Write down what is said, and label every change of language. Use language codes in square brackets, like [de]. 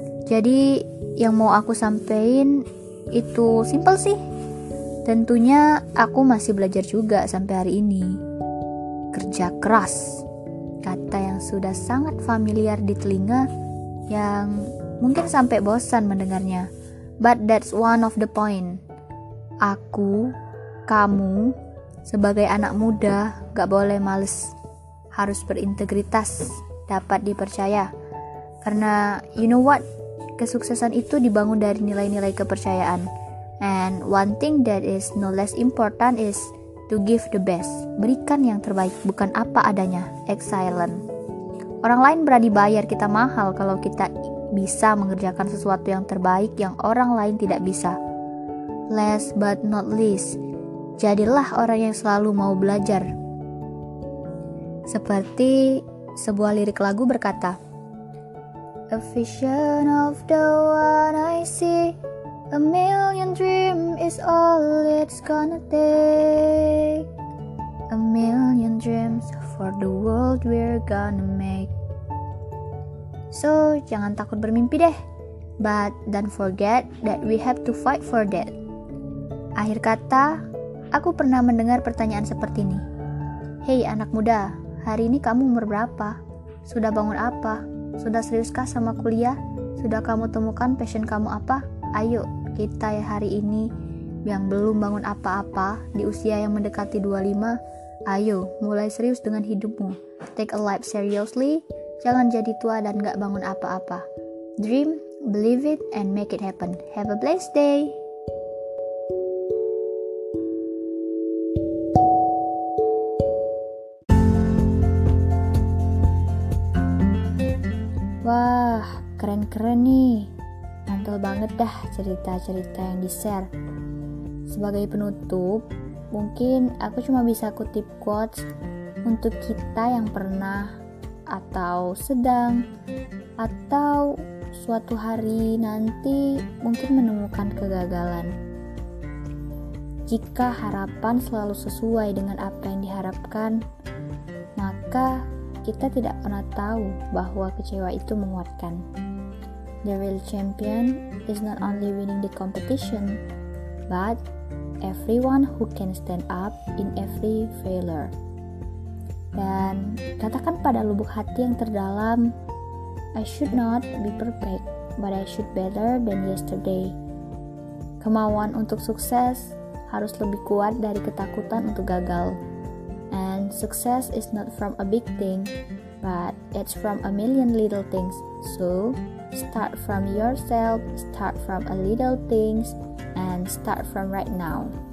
[id] Jadi, yang mau aku sampein itu simple sih. Tentunya aku masih belajar juga sampai hari ini. Kerja keras, kata yang sudah sangat familiar di telinga yang mungkin sampai bosan mendengarnya. [en] But that's one of the point. [id] Aku, kamu, sebagai anak muda gak boleh males. Harus berintegritas, dapat dipercaya. Karena [en] you know what? [id] Kesuksesan itu dibangun dari nilai-nilai kepercayaan. [en] And one thing that is no less important is to give the best. [id] Berikan yang terbaik, bukan apa adanya. Excellent. Orang lain berani bayar kita mahal kalau kita bisa mengerjakan sesuatu yang terbaik yang orang lain tidak bisa. [en] Last but not least, [id] jadilah orang yang selalu mau belajar. Seperti sebuah lirik lagu berkata, [en] a vision of the one I see, a million dream is all it's gonna take. A million dreams for the world we're gonna make. [id] So, jangan takut bermimpi deh. [en] But don't forget that we have to fight for that. [id] Akhir kata, aku pernah mendengar pertanyaan seperti ini. Hey anak muda, hari ini kamu umur berapa? Sudah bangun apa? Sudah seriuskah sama kuliah? Sudah kamu temukan passion kamu apa? Ayo, kita hari ini yang belum bangun apa-apa di usia yang mendekati 25, ayo mulai serius dengan hidupmu. [en] Take a life seriously, [id] jangan jadi tua dan gak bangun apa-apa. [en] Dream, believe it, and make it happen. Have a blessed day! [id] Wah, keren-keren nih. Mantul banget dah cerita-cerita yang di-share. Sebagai penutup, mungkin aku cuma bisa kutip quotes untuk kita yang pernah atau sedang atau suatu hari nanti mungkin menemukan kegagalan. Jika harapan selalu sesuai dengan apa yang diharapkan, maka kita tidak pernah tahu bahwa kecewa itu menguatkan. [en] The real champion is not only winning the competition, but everyone who can stand up in every failure. [id] Dan katakan pada lubuk hati yang terdalam, [en] I should not be perfect, but I should better than yesterday. [id] Kemauan untuk sukses harus lebih kuat dari ketakutan untuk gagal. [en] And success is not from a big thing, but it's from a million little things. So, start from yourself, start from a little things, and start from right now.